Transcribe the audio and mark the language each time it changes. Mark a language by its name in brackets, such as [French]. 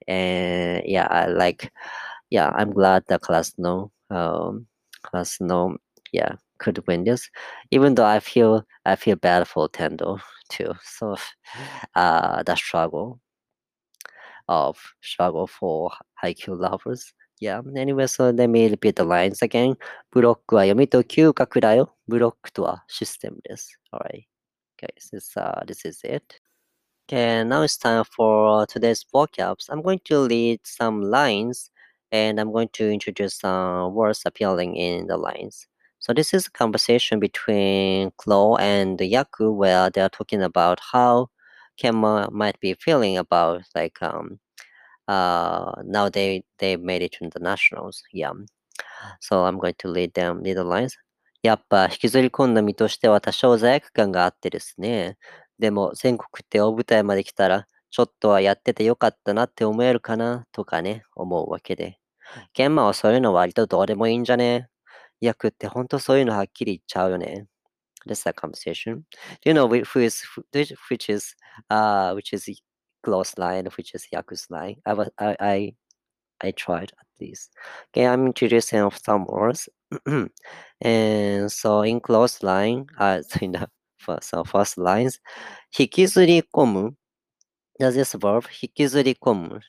[English] And yeah, I like. Yeah, I'm glad that Karasuno, yeah, could win this. Even though I feel bad for Tendo too. So, the struggle for haiku lovers. Yeah. Anyway, so let me repeat the lines again. [Japanese] ブロックは読みと嗅覚だよ。ブロックとはシステムです。 [English] All right, guys. This is it. Okay, now it's time for today's vocabs. I'm going to read some lines. And I'm going to introduce words appearing in the lines. So this is a conversation between Chloe and Yaku where they're talking about how Kenma might be feeling about like now they made it to the nationals. Yeah. So I'm going to read them the lines. [Japanese] Yappa hikizurikonda mi toshite wa tashou zaiakukan ga atte desu ne. Demo senkoku te obutai made kitara chotto wa yattete yokatta na tte omoeru kana toka ne omou wake de. ケンマはそういうの割とどうでもいいんじゃね?ヤクって本当そういうのはっきり言っちゃうよね? [English] This is a conversation. Do you know which is Glow's line, which is Yaku's line? I tried at least. Okay, I'm introducing some words. And so in Glow's line, in the first lines, 引きずり込む There's this verb, hikizurikomu.